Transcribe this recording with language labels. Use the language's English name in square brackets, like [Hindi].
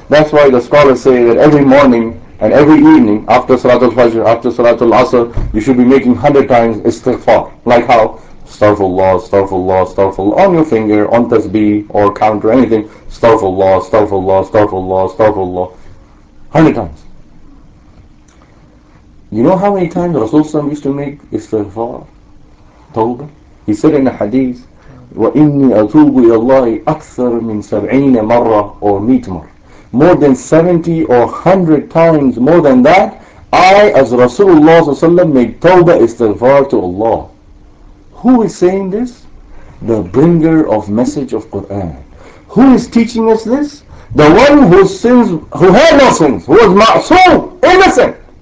[English] That's why the scholars say that every morning and every evening, after Salatul Fajr, after Salatul Asr, you should be making 100 times istighfar. Like how? Astaghfirullah, on your finger, on tasbih, or counter, anything. Astaghfirullah. 100 times. You know how many times Rasulullah used to make istighfar? Tawbah? He said in the hadith, [Arabic] وَإِنِّي أَتُوبُ إِلَى اللَّهِ أَكْثَرَ مِنْ سَبْعِينَ مَرَّةٍ [English] or 100 times. More than 70 or 100 times more than that, I, as Rasulullah ﷺ, make tawbah istighfar to Allah. Who is saying this? The bringer of message of Quran. Who is teaching us this? The one whose sins, who had no sins, who was ma'soom, innocent.